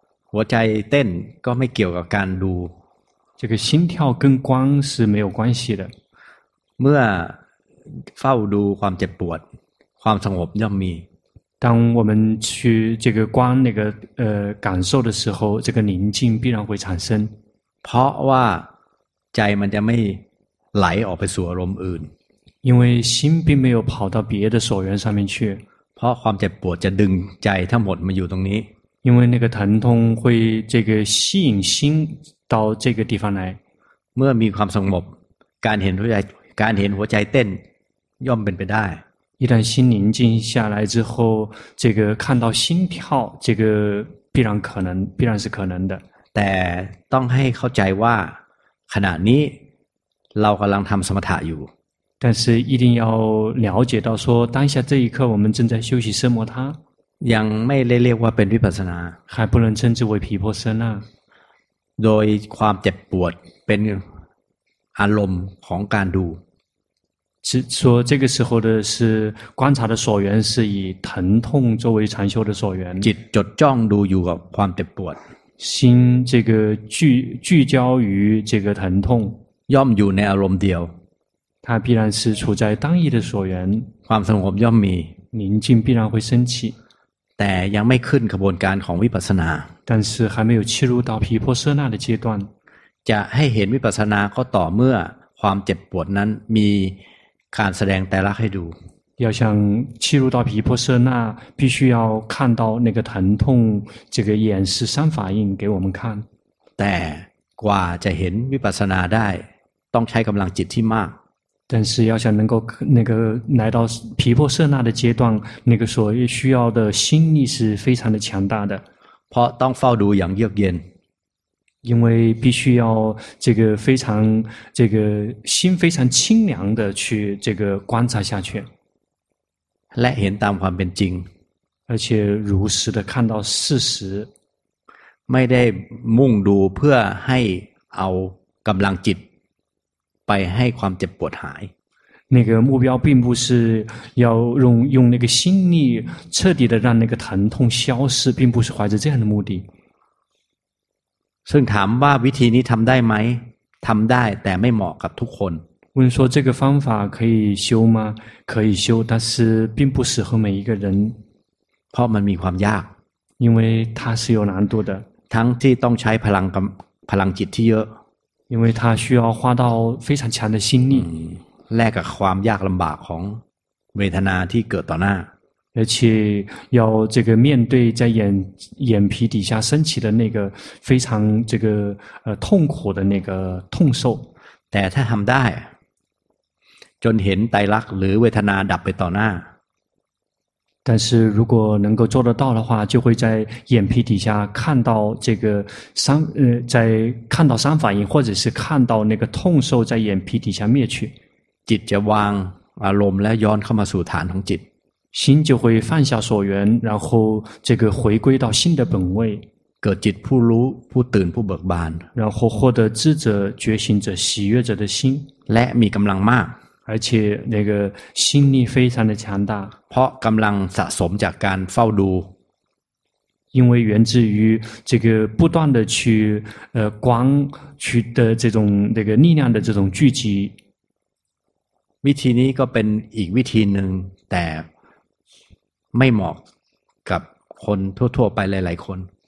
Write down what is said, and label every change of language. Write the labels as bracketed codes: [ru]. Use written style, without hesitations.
[th] หัวใจเต้นก็ไม่เกี่ยวกับการดู [zh] 这个心跳跟光是没有关系的 [th] เมื่อ fao du quam jeb buot quam sanghop yom mi [zh] 当我们去这个观那个感受的时候，这个宁静必然会产生。 [th] เพราะว่าใจมันจะไม่ไหลออกไปสู่อารมณ์อื่น [zh] 因为心并没有跑到别的所缘上面去。 [th] เพราะความเจ็บปวดจะดึงใจทั้งหมดมาอยู่ตรงนี้ [zh] 因为那个疼痛会这个吸引心到这个地方来。 [th] เมื่อมีความสงบการเห็นหัวใจเต้นย่อมเป็นไปได้ [zh] 一旦心宁静下来之后，这个看到心跳，这个必然可能，必然是可能的。 [th] แต่ต้องให้เข้าใจว่าขณะนี้เรากำลังทำสมถะอยู่。 [zh] 但是一定要了解到说，当下这一刻我们正在休息奢摩他。 [th] ยังไม่เรียกว่าเป็นวิปัสสนา。 [zh] 还不能称之为毗婆舍那。 [th] โดยความเจ็บปวดเป็นอารมณ์ของการดู。 [zh] 是说这个时候的是观察的所缘是以疼痛作为禅修的所缘。 [th] จิตจดจ้องดูอยู่กับความเจ็บปวด。 [zh] 心这个聚焦于这个疼痛。 [th] ย่อมอยู่ในอารมณ์เดียว。 [zh] 它必然是处在当一的所缘。 [th] ความสงบย่อมมี。 [zh] 宁静必然会升起。 [th] แต่ยังไม่ขึ้นขบวนการของวิปัสสนา。 [zh] 但是还没有切入到毗婆舍那的阶段。 [th] จะให้เห็นวิปัสสนาก็ต่อเมื่อความเจ็บปวดนั้นมีการแสดงแต่ละให้ดู [zh] 要想切入到毗婆舍那必须要看到那个疼痛这个演示三法印给我们看 [th] แต่กว่าจะเห็นวิปัสสนาได้ต้องใช้กำลังจิตที่มาก [zh] 但是要想能够那个来到毗婆舍那的阶段那个所需要的心力是非常的强大的 [th] เพราะต้องเฝ้าดูอย่างเยือกเย็น [zh] 因为必须要这个非常这个心非常清凉的去这个观察下去 [th] และเห็นตามความเป็นจริง [zh] 而且如实的看到事实 [th] ไม่ได้มุ่งดูเพื่อให้เอากำลังจิตไปให้ความเจ็บปวดหาย [zh] 那个目标并不是要用那个心力彻底的让那个疼痛消失并不是怀着这样的目的 [th] ซึ่งถามว่าวิธีนี้ทำได้ไหมทำได้แต่ไม่เหมาะกับทุกคน [zh] 问说这个方法可以修吗可以修但是并不适合每一个人 [th] เพราะมันมีความยาก [zh] 因为它是有难度的 [th] ทั้งที่ต้องใช้พลังจิตที่เยอะ [zh] 因为它需要花到非常强的心力 [th] แลกกับความยากลำบากของเวทนาที่เกิดต่อหน้า [zh] 而且要这个面对在眼皮底下升起的那个非常这个痛苦的那个痛受 [th] แต่ถ้าทำได้จนเห็นไตรลักษณ์หรือเวทนาดับไปต่อหน้า [zh] 但是如果能够做得到的话就会在眼皮底下看到这个在看到三法印或者是看到那个痛受在眼皮底下灭去 [th] จิตจะวางอารมณ์และย้อนเข้ามาสู่ฐานของจิต [zh] 心就会放下所缘然后这个回归到心的本位 [th] 个จิตผู้รู้ผู้ตื่นผู้เบิกบาน [zh] 然后获得智者觉醒者喜悦者的心 [th] และมีกำลังมาก [zh] 而且那个心力非常的强大 [th] เพราะกำลังสะสมจากการเฝ้าดู [zh] 因为源自于这个不断的去光去的这种那个力量的这种聚集 [th] วิธีนี้ก็เป็นอีกวิธีหนึ่งแต่ไม่เหมาะกับคนทั่วๆไปหลายๆคน